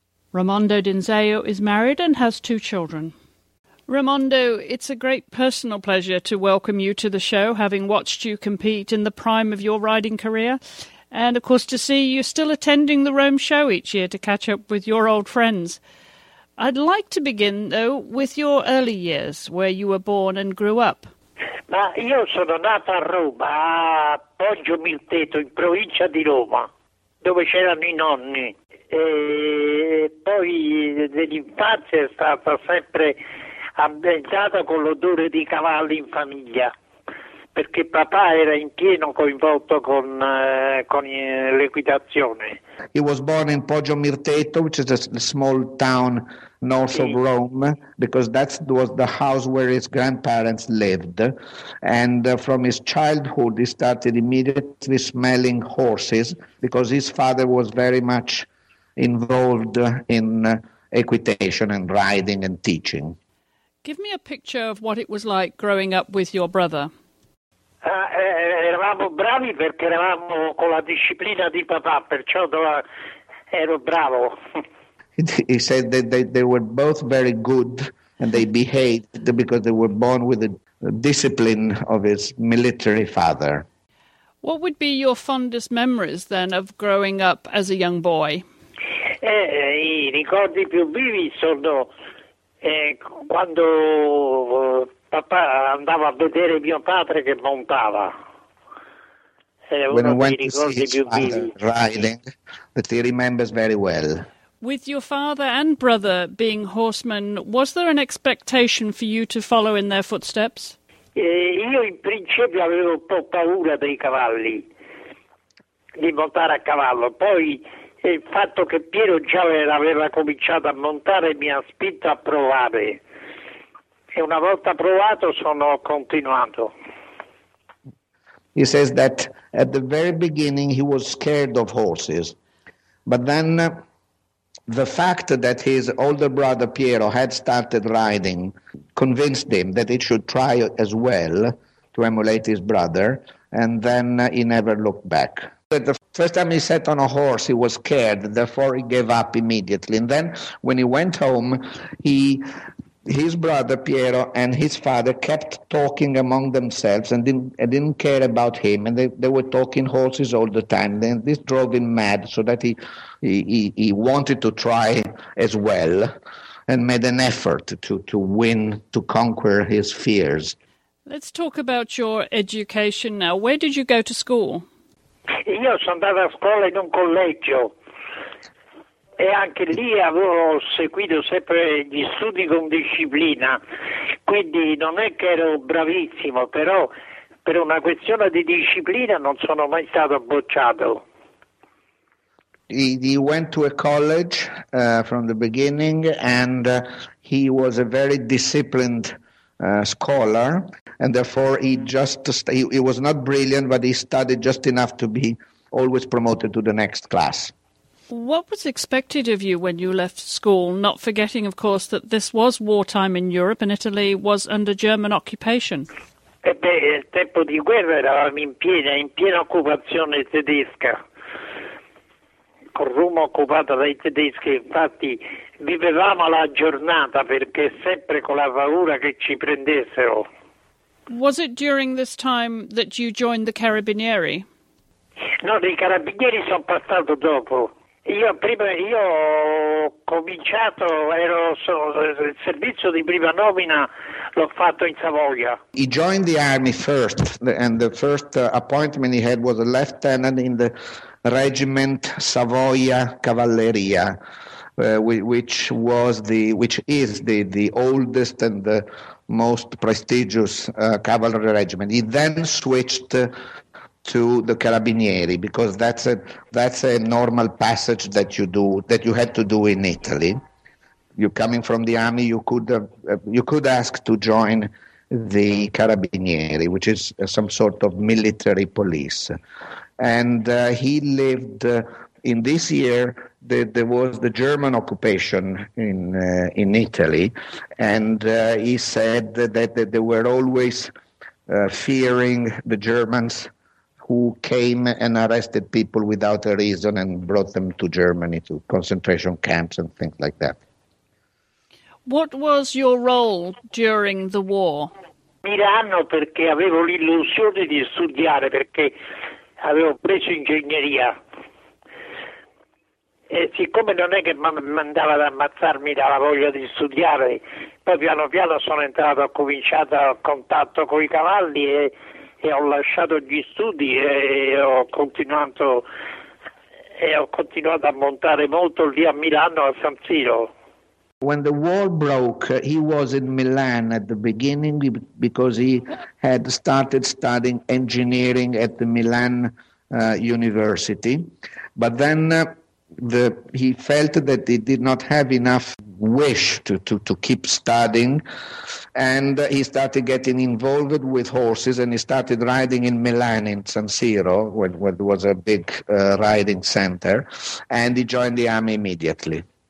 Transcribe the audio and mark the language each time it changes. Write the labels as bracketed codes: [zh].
[en] Raimondo Dinzeo is married and has 2 children. Raimondo, it's a great personal pleasure to welcome you to the show, having watched you compete in the prime of your riding career, and, of course, to see you still attending the Rome Show each year to catch up with your old friends. I'd like to begin, though, with your early years, where you were born and grew up. [it] Ma io sono nato a Roma, a Poggio Mirteto, in provincia di Roma, dove c'erano i nonni. E poi dell'infanzia è stata sempre ambientata con l'odore di cavalli in famiglia, perché papà era in pieno coinvolto con l'equitazione. [en] He was born in Poggio Mirteto, which is a small town north of Rome, because that was the house where his grandparents lived. And from his childhood, he started immediately smelling horses, because his father was very much involved in equitation and riding and teaching. Give me a picture of what it was like growing up with your brother. [it] Eravamo bravi perché eravamo con la disciplina di papà, perciò ero bravo. [en] He said that they were both very good and they behaved because they were born with the discipline of his military father. What would be your fondest memories then of growing up as a young boy? [it] I ricordi più vivi sono quando papà andava a vedere mio padre che montava. [en] When he went to see his father riding, that he remembers very well. With your father and brother being horsemen, was there an expectation for you to follow in their footsteps? [it] Io in principio avevo un po' paura dei cavalli, di montare a cavallo. Poi il fatto che Piero già aveva cominciato a montare mi ha spinto a provare. E una volta provato sono continuato. [en] He says that at the very beginning he was scared of horses, but then the fact that his older brother Piero had started riding convinced him that he should try as well to emulate his brother, and then he never looked back. But the first time he sat on a horse, he was scared, therefore he gave up immediately. And then when he went home, he his brother Piero and his father kept talking among themselves and didn't care about him, and they were talking horses all the time. Then this drove him mad, so that he wanted to try as well, and made an effort to win, to conquer his fears. Let's talk about your education now. Where did you go to school? [it] Io sono andato a scuola in un collegio. E anche lì avevo seguito sempre gli studi con disciplina, quindi non è che ero bravissimo, però per una questione di disciplina non sono mai stato bocciato. [en] He went to a college from the beginning, and he was a very disciplined scholar, and therefore he was not brilliant, but he studied just enough to be always promoted to the next class. What was expected of you when you left school, not forgetting, of course, that this was wartime in Europe and Italy was under German occupation? [it] Beh, il tempo di guerra eravamo in piena occupazione tedesca, con Roma occupata dai tedeschi. Infatti vivevamo la giornata perché sempre con la paura che ci prendessero. [en] Was it during this time that you joined the Carabinieri? [it] No, i Carabinieri sono passato dopo. Io ho cominciato, il servizio di prima nomina l'ho fatto in Savoia. [en] He joined the army first, and the first appointment he had was a lieutenant in the regiment Savoia Cavalleria, which is the oldest and the most prestigious cavalry regiment. He then switched to the Carabinieri, because that's a normal passage that you had to do in Italy. You're coming from the army, you could ask to join the Carabinieri, which is some sort of military police. And he lived in this year that there was the German occupation in Italy, and he said that they were always fearing the Germans, who came and arrested people without a reason and brought them to Germany, to concentration camps and things like that. What was your role during the war? [it] Milano, perché avevo l'illusione di studiare, perché avevo preso ingegneria. E siccome non è che mi mandava ad ammazzarmi dalla voglia di studiare, poi piano piano sono entrato, ho cominciato a contatto con i cavalli e ho lasciato gli studi e ho continuato a montare molto lì a Milano, a San Siro. [en] When the war broke, he was in Milan at the beginning because he had started studying engineering at the Milan University. But then he felt that he did not have enough wish to keep studying, and he started getting involved with horses, and he started riding in Milan in San Siro, where there was a big riding center, and he joined the army immediately.